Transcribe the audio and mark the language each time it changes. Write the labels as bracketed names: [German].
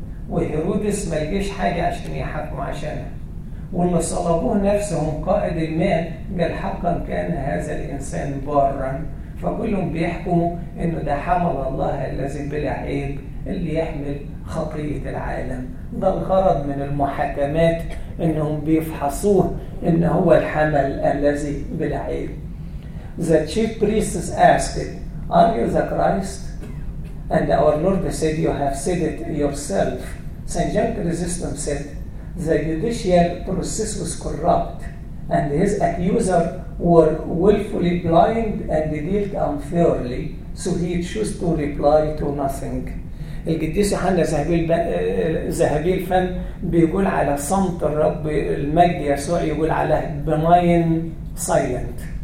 [Arabic] وهيرودس ما لقيش حاجه عشان يحكم عشانها. واللي صلبوه نفسهم قائد الماء قال حقا كان هذا الانسان بارا. فكلهم بيحكموا انه ده حمل الله الذي بلا عيب اللي يحمل خطيه العالم. ده الغرض من المحاكمات، انهم بيفحصوه ان هو الحمل الذي بلا عيب. [English] The chief priests asked, Are you the Christ? And our Lord said, You have said it yourself. Saint John Chrysostom said, The judicial process was corrupt, and his accusers were willfully blind and dealt unfairly, so he chose to reply to nothing. [Arabic] القديس يوحنا ذهبي الفن بيقول على صمت الرب المجد يسوع، يقول على [English] بناين سايلنت.